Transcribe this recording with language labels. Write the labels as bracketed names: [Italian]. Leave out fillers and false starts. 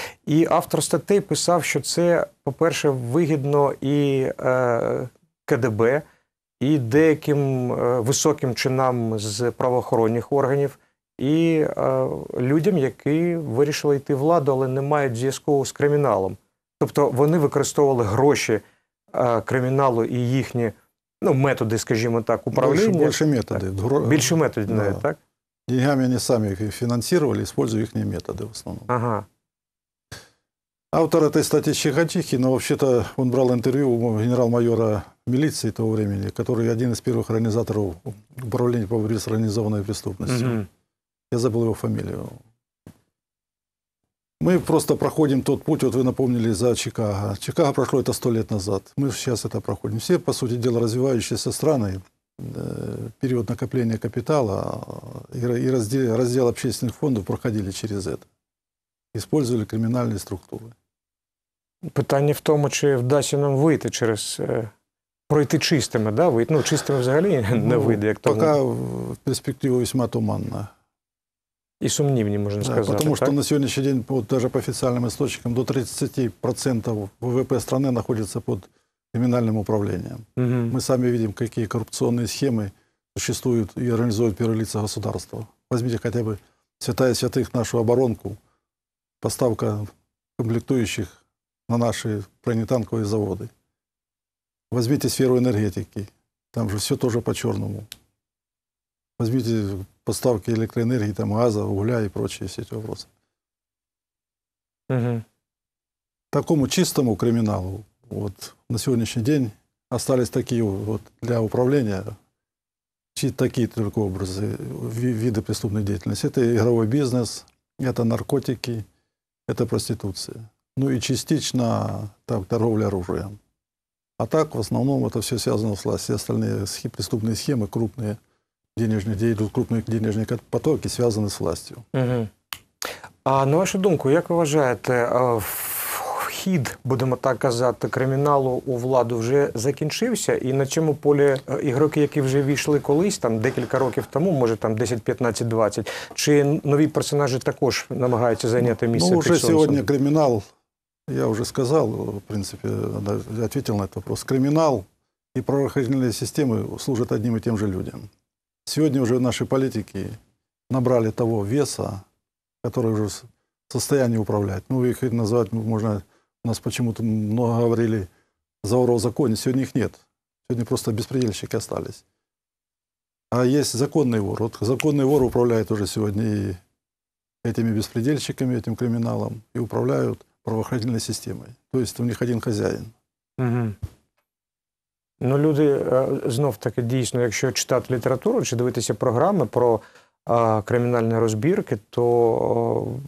[Ukrainian] І автор статей писав, що це, по-перше, вигідно і КДБ, і деяким високим чинам з правоохоронних органів, і людям, які вирішили йти в владу, але не мають зв'язку з криміналом. Тобто вони використовували гроші криміналу і їхні, ну, методи, скажімо так, управління. Більше методи. Більше методи, да. Так? [Russian] Деньгами [Ukrainian] вони самі фінансували, використовували їхні методи в основному. Ага. [Russian] Автор этой статьи Щекочихин, но вообще-то он брал интервью у генерал-майора милиции того времени, который один из первых организаторов управления по борьбе с организованной преступностью. Mm-hmm. Я забыл его фамилию. Мы просто проходим тот путь, вот вы напомнили за Чикаго. Чикаго прошло это 100 лет назад. Мы сейчас это проходим. Все, по сути дела, развивающиеся страны, период накопления капитала и раздел общественных фондов проходили через это. Использовали криминальные структуры. [Ukrainian] Питання в тому, чи вдасться нам вийти через пройти чистими, да? Вийти, ну, чистими взагалі не вийде, як тому. [Russian] Пока перспектива весьма туманна. [Ukrainian] І сумнівні, можна сказати. Тому що на сьогоднішній день, по навіть по офіційним істочникам, до 30% ВВП країни знаходиться під кримінальним управлінням. Угу. Ми самі бачимо, які корупційні схеми існують і організовують перші [Russian] лица государства. [Ukrainian] Візьміть хоча б святая святих нашу оборонку. Поставка комплектуючих на наші бронетанкові заводи. Візьміть сферу енергетики, там же все теж по-чорному. Візьміть поставки електроенергії, там газу, вугля і прочі всі ці питання. Угу. Такому чистому криміналу от, на сьогоднішній день [Russian] остались [Ukrainian] такі от, для управління, чи такі тільки образи, види преступної діяльності. Це ігровий бізнес, це наркотики. [Russian] Это проституция. Ну и частично так, торговля оружием. А так, в основном, это все связано с властью. Все остальные преступные схемы, крупные денежные, где идут крупные денежные потоки, связаны с властью. Угу. [Ukrainian] А на вашу думку, як ви вважаєте, вхід, будемо так казати, криміналу у владу вже закінчився? І на цьому полі ігроки, які вже війшли колись, там декілька років тому, може там 10-15-20, чи нові персонажі також намагаються зайняти місце? Ну, вже сьогодні кримінал, я вже сказав, в принципі, відповів на цей питання, кримінал і правоохоронні системи служать одним і тим же людям. Сьогодні вже наші політики набрали того веса, який вже в состоянні управляти. Ну, їх назвати можна... [Russian] У нас почему-то много говорили за воров в законе, сегодня их нет. Сегодня просто беспредельщики остались. А есть законный вор. Вот законный вор управляет уже сегодня и этими беспредельщиками, этим криминалом, и управляют правоохранительной системой. То есть у них один хозяин. Угу. [Ukrainian] Ну, люди, знов-таки, дійсно, якщо читати літературу чи дивитися програми про кримінальні розбірки, то...